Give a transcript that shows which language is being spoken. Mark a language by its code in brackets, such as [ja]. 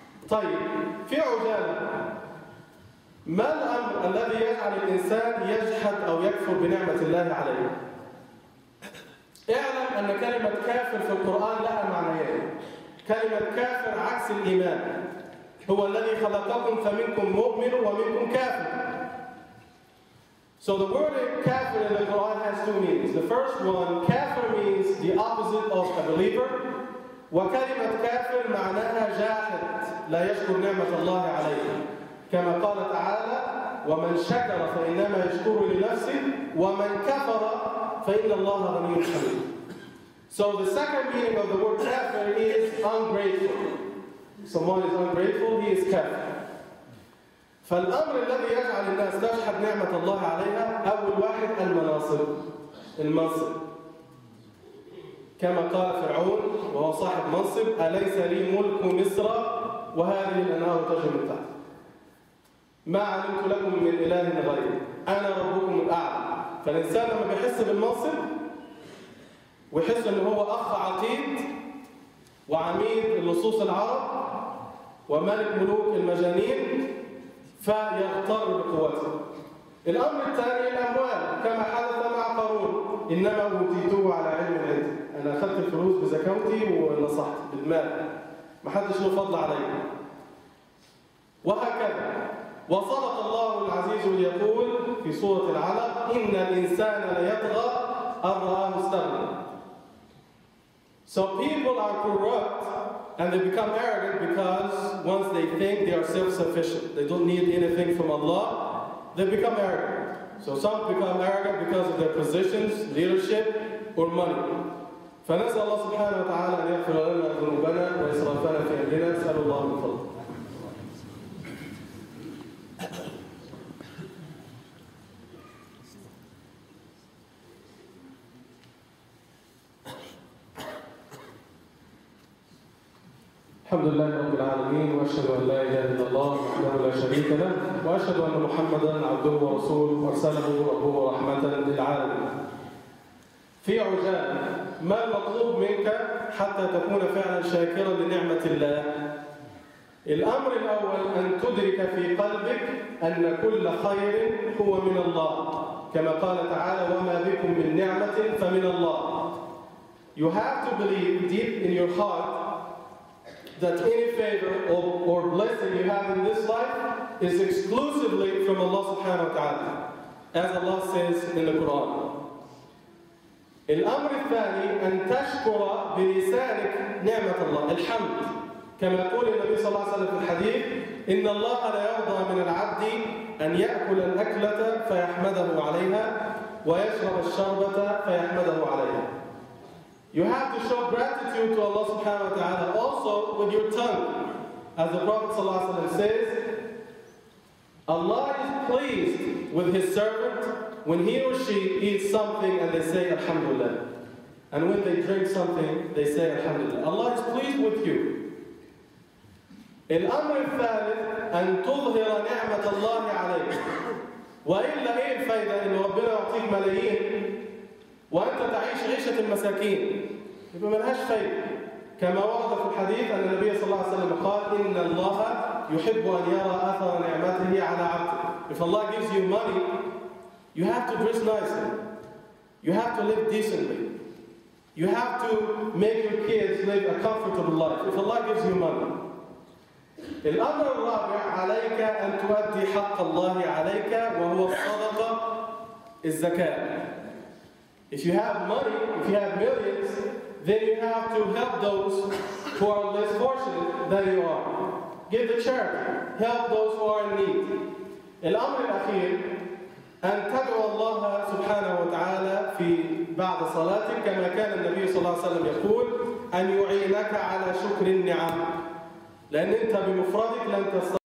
[ar] طيب في عجالة، ما الأمر الذي يجعل الإنسان يجحد أو يكفر بنعمة الله عليه؟ اعلم أن كلمة كافر في القرآن لها معنيان. كلمة كافر عكس الإيمان، هو الذي خلقكم فمنكم مؤمن ومنكم كافر. [en] So the word kafir in the Quran has two meanings. The first one, kafir means the opposite of a believer. [ar] وكلمة كافر معناها جاحد لا يشكر نعمة الله عليه. كما قال تعالى ومن شكر فإنما يشكر لنفسه ومن كفر فإن الله غني حميد. [en] So the second meaning of the word kafir is ungrateful. Someone is ungrateful, he is kafir. [ar] فالأمر الذي يجعل الناس تجحد نعمة الله عليها أول واحد المناصب، المنصب. كما قال فرعون وهو صاحب منصب أليس لي ملك مصر وهذه الأنهار تجري من تحت. ما علمت لكم من إله غيري أنا ربكم الأعلى. فالإنسان لما بيحس بالمنصب ويحس إنه هو أخ عقيد وعميد اللصوص العرب وملك ملوك المجانين فيغتر بقوته. الأمر الثاني الأموال، كما حدث مع قارون إنما أوتيته على علم عندي، أنا أخذت الفلوس بزكاوتي ونصحت بالمال ما حدش له فضل علي. وهكذا وصدق الله العزيز يقول في سورة العلق إن الإنسان ليطغى أن رآه استغنى. [en] So people are corrupt and they become arrogant because once they think they are self-sufficient, they don't need anything from Allah, they become arrogant. So some become arrogant because of their positions, leadership, or money. [ar] فنسأل الله سبحانه وتعالى أن يغفر لنا ذنوبنا وإسرافنا في أمرنا، أسأل الله من فضله. الحمد لله رب العالمين واشهد ان لا اله الا الله وحده لا شريك له واشهد ان محمدا عبده ورسوله ارسله ربه رحمه للعالمين. في عجال، ما المطلوب منك حتى تكون فعلا شاكرا لنعمه الله؟ الامر الاول ان تدرك في قلبك ان كل خير هو من الله كما قال تعالى وما بكم من نعمه فمن الله. [en] You have to believe deep in your heart that any favor or blessing you have in this life is exclusively from Allah subhanahu wa ta'ala, as Allah says in the Quran. [ar] الأمر الثاني أن تشكر بلسانك نعمة الله الحمد كما يقول النبي صلى الله عليه وسلم في الحديث إن الله لا يرضى من العبد أن يأكل الأكلة فيحمده عليها ويشرب الشربة فيحمده عليها. [en] You have to show gratitude to Allah subhanahu wa ta'ala also with your tongue. As the Prophet sallallahu alaihi wasallam says, Allah is pleased with his servant when he or she eats something and they say alhamdulillah. And when they drink something, they say alhamdulillah. Allah is pleased with you. [ar] الأمر الثالث أن تظهر نعمة الله عليك. وإلا إيه الفائدة إن ربنا يعطيك ملايين وأنت تعيش عيشة المساكين؟ يبقى ملهاش فائدة. كما ورد في الحديث أن النبي صلى الله عليه وسلم قال إن الله يحب أن يرى أثر نعمته على عبده. [en] If Allah gives you money, you have to dress nicely. You have to live decently. You have to make your kids live a comfortable life. If Allah gives you money. [ar] الأمر الرابع عليك أن تؤدي حق الله عليك وهو الصدقة الزكاة. [en] If you have money, if you have millions, then you have to help those who are less fortunate than you are. Give the charity. Help those who are in need. [ar] الأمر الأخير أن تدعو الله سبحانه وتعالى في بعد صلاتك كما كان النبي صلى الله عليه وسلم يقول أن يعينك على شكر النعم. لأن أنت بمفردك لن تستطيع.